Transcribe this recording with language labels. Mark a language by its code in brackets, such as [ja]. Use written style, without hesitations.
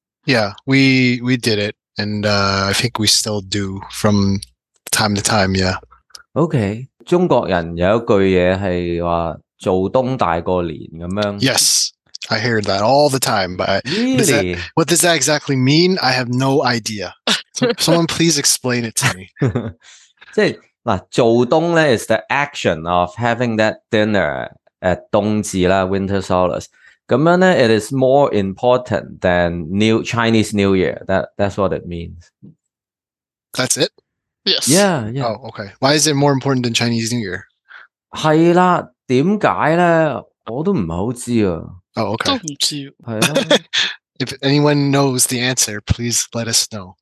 [en] Yeah, we did it, and I think we still do from time to time. Yeah. Okay. [yue] 中国人有一句嘢系话做冬大过年咁样。 [en] Yes, I hear that all the time, but really? What does that exactly mean? I have no idea. Someone please explain it to me. [yue] 即系。做冬呢 [en] is the action of having that dinner at 冬至啦 ,winter solace. [yue] 咁样呢 [en] it is more important than Chinese New Year. That's what it means. That's it? Yes. Yeah, yeah. Oh, okay. Why is it more important than Chinese New Year? [yue] 係啦，点解呢我都唔好知啊。 [en] Oh, okay. [yue] 都唔知。係啦。 [en] If anyone knows the answer, please let us know.